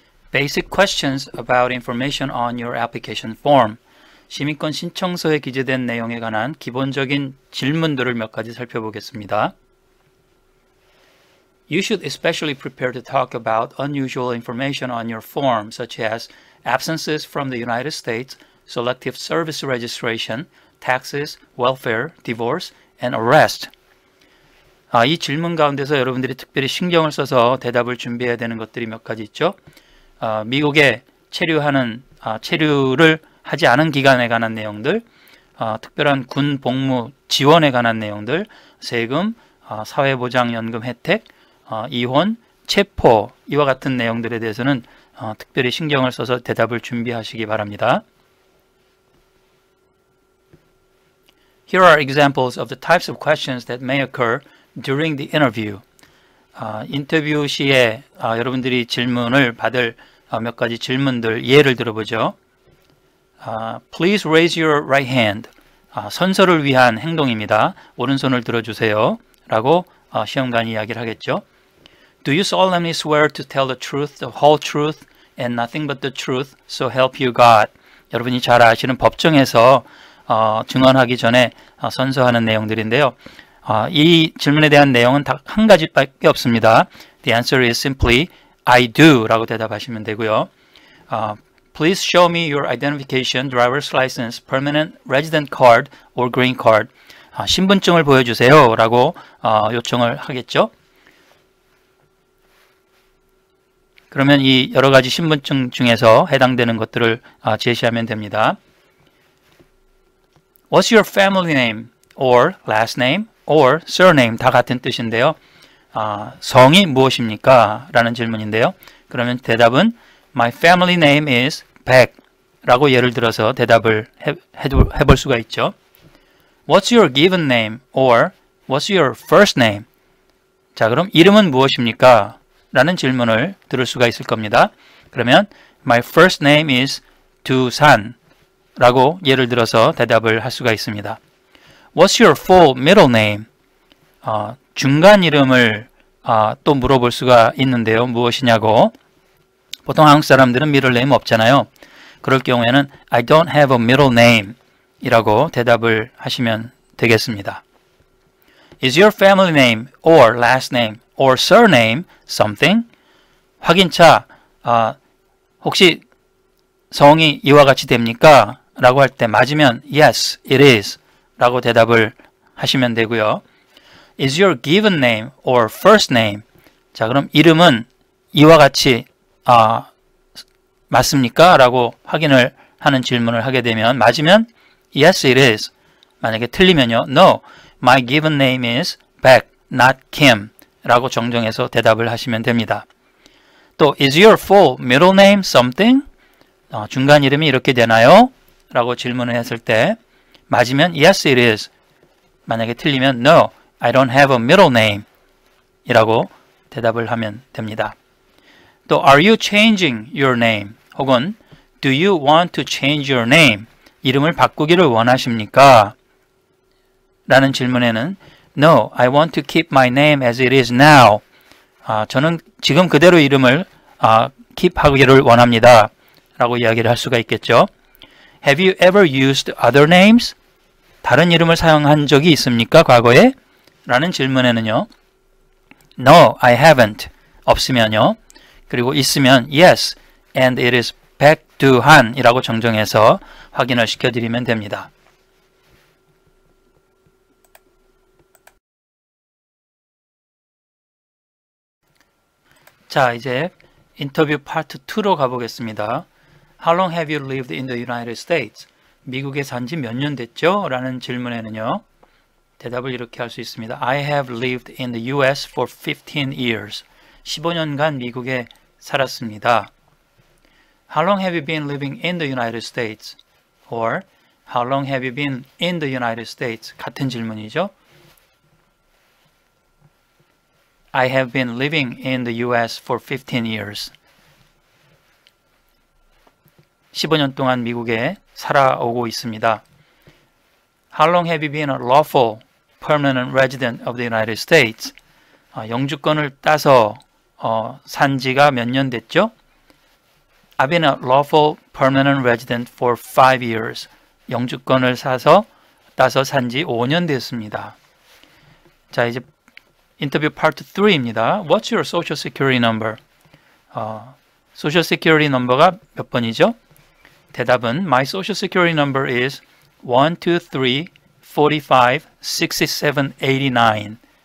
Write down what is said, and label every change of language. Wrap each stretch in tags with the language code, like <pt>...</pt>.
<en>Basic questions about information on your application form.</en> <ko>시민권 신청서에 기재된 내용에 관한 기본적인 질문들을 몇 가지 살펴보겠습니다.</ko> <en>You should especially prepare to talk about unusual information on your form, such as absences from the United States, selective service registration, taxes, welfare, divorce, and arrest.</en> <ko>이 질문 가운데서 여러분들이 특별히 신경을 써서 대답을 준비해야 되는 것들이 몇 가지 있죠. 미국에 체류를 하지 않은 기간에 관한 내용들, 특별한 군 복무 지원에 관한 내용들, 세금, 사회보장연금 혜택, 이혼, 체포 이와 같은 내용들에 대해서는 특별히 신경을 써서 대답을 준비하시기 바랍니다.</ko> <en>Here are examples of the types of questions that may occur during the interview.</en> <ko>인터뷰 시에 여러분들이 질문을 받을 몇 가지 질문들 예를 들어보죠.</ko> <en>Please raise your right hand.</en> <ko>선서를 위한 행동입니다. 오른손을 들어주세요. 라고 시험관이 이야기를 하겠죠.</ko> <en>Do you solemnly swear to tell the truth, the whole truth, and nothing but the truth, so help you God?</en> <ko>여러분이 잘 아시는 법정에서 증언하기 전에 선서하는 내용들인데요. 이 질문에 대한 내용은 딱 한 가지밖에 없습니다.</ko> <en>The answer is simply, I do,</en> <ko>라고 대답하시면 되고요.</ko> <en>Please show me your identification, driver's license, permanent resident card, or green card.</en> <ko>신분증을 보여주세요, 라고 요청을 하겠죠. 그러면 이 여러 가지 신분증 중에서 해당되는 것들을 제시하면 됩니다.</ko> <en>What's your family name or last name or surname?</en> <ko>다 같은 뜻인데요. 성이 무엇입니까? 라는 질문인데요. 그러면 대답은</ko> <en>My family name is Beck</en> <ko>라고 예를 들어서 대답을 해볼 수가 있죠.</ko> <en>What's your given name or what's your first name?</en> <ko>자, 그럼 이름은 무엇입니까? 라는 질문을 들을 수가 있을 겁니다. 그러면</ko> <en>My first name is</en> <ko>두산 라고 예를 들어서 대답을 할 수가 있습니다.</ko> <en>What's your full middle name?</en> <ko>중간 이름을 또 물어볼 수가 있는데요. 무엇이냐고. 보통 한국 사람들은 middle name 없잖아요. 그럴 경우에는</ko> <en>I don't have a middle name</en> <ko>이라고 대답을 하시면 되겠습니다.</ko> <en>Is your family name or last name or surname something?</en> <ko>확인차, 혹시 성이 이와 같이 됩니까? 라고 할 때 맞으면</ko> <en>yes, it is</en> <ko>라고 대답을 하시면 되고요.</ko> <en>Is your given name or first name?</en> <ko>자, 그럼 이름은 이와 같이 맞습니까? 라고 확인을 하는 질문을 하게 되면 맞으면</ko> <en>Yes, it is.</en> <ko>만약에 틀리면요.</ko> <en>No, my given name is Beck, not Kim.</en> <ko>라고 정정해서 대답을 하시면 됩니다. 또</ko> <en>Is your full middle name something?</en> <ko>중간 이름이 이렇게 되나요? 라고 질문을 했을 때 맞으면</ko> <en>Yes, it is.</en> <ko>만약에 틀리면</ko> <en>No, I don't have a middle name.</en> <ko>이라고 대답을 하면 됩니다. 또</ko> <en>Are you changing your name? 혹은 Do you want to change your name?</en> <ko>이름을 바꾸기를 원하십니까? 라는 질문에는</ko> <en>No, I want to keep my name as it is now.</en> <ko>저는 지금 그대로 이름을 keep 하기를 원합니다. 라고 이야기를 할 수가 있겠죠.</ko> <en>Have you ever used other names?</en> <ko>다른 이름을 사용한 적이 있습니까? 과거에? 라는 질문에는요.</ko> <en>No, I haven't.</en> <ko>없으면요. 그리고 있으면</ko> <en>Yes, and it is</en> <ko>Beck Doohan 이라고 정정해서 확인을 시켜드리면 됩니다. 자, 이제 인터뷰 파트 2로 가보겠습니다.</ko> <en>How long have you lived in the United States?</en> <ko>미국에 산 지 몇 년 됐죠? 라는 질문에는요. 대답을 이렇게 할 수 있습니다.</ko> <en>I have lived in the US for 15 years.</en> <ko>15년간 미국에 살았습니다.</ko> <en>How long have you been living in the United States? Or how long have you been in the United States?</en> <ko>같은 질문이죠.</ko> <en>I have been living in the US for 15 years.</en> <ko>15년 동안 미국에 살아오고 있습니다.</ko> <en>How long have you been a lawful permanent resident of the United States?</en> <ko>영주권을 따서 산 지가 몇 년 됐죠?</ko> <en>I've been a lawful permanent resident for 5 years.</en> <ko>영주권을 따서 산 지 5년 됐습니다. 자, 이제 인터뷰 파트 3입니다.</ko> <en>What's your social security number? Social security number가</en> <ko>몇 번이죠? 대답은</ko> <en>My social security number is 123456789.</en>